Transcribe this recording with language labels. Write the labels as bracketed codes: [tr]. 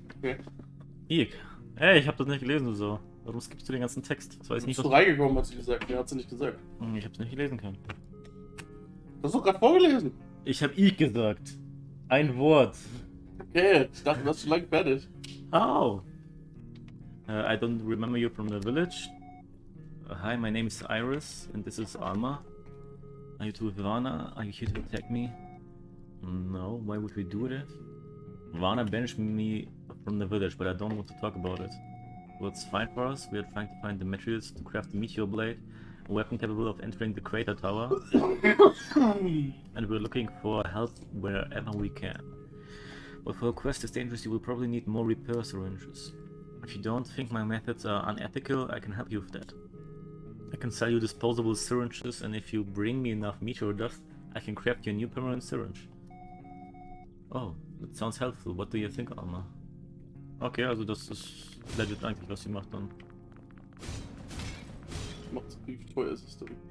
[de] Okay. Ick. Ey, ich hab das nicht gelesen, so. Warum skippst du den ganzen Text? Das weiß ich nicht. Bist du reingekommen, hat sie gesagt. Nee, hat sie nicht gesagt. Ich hab's nicht gelesen können. Hast du gerade vorgelesen? Ich hab ich gesagt. Ein Wort. Okay, ich dachte, du hast schon lange fertig. [en] How? I don't remember you from the village. Hi, my name is Iris and this is Alma. Are you two with Vana? Are you here to attack me? No, why would we do that? Vana banished me from the village, but I don't want to talk about it. Well, it's fine for us. We are trying to find the materials to craft the meteor blade. A weapon capable of entering the crater tower, and we're looking for help wherever we can. But for a quest as dangerous, you will probably need more repair syringes. If you don't think my methods are unethical, I can help you with that. I can sell you disposable syringes, and if you bring me enough meteor dust, I can craft you a new permanent syringe. Oh, that sounds helpful. What do you think, Alma? [de] Okay, also das ist legit eigentlich, was sie macht dann. Macht es, wie teuer ist es denn?